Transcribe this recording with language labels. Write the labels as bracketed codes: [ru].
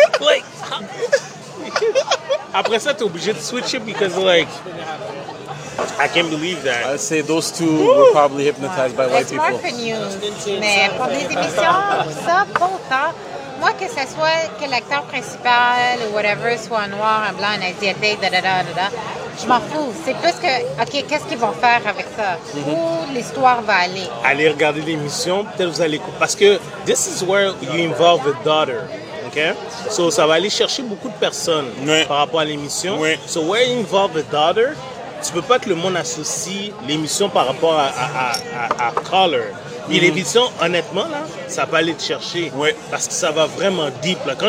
[en] Like, [fr] après ça, t'es obligé de [en] switch it because, like, I can't believe that. I'd say those two were probably hypnotized by white people. It's more for news. [fr] Mais pour des émissions, ça, pour autant, moi, que ce soit que l'acteur principal ou whatever soit un noir, un blanc, un asiatique, da-da-da-da-da, je m'en fous. C'est plus que, OK, qu'est-ce qu'ils vont faire avec ça? Mm-hmm. Où l'histoire va aller? Allez regarder l'émission, peut-être vous allez... Parce que [en] this is where you involve a daughter. Okay. [fr] So, ça va aller chercher beaucoup de personnes par rapport à l'émission. Oui. So, [en] where you involve a daughter, [fr] tu peux pas que le monde associe l'émission par rapport à color. Mm-hmm. Et l'émission, honnêtement, là, ça va aller te chercher. Oui. Parce que ça va vraiment deep. Là.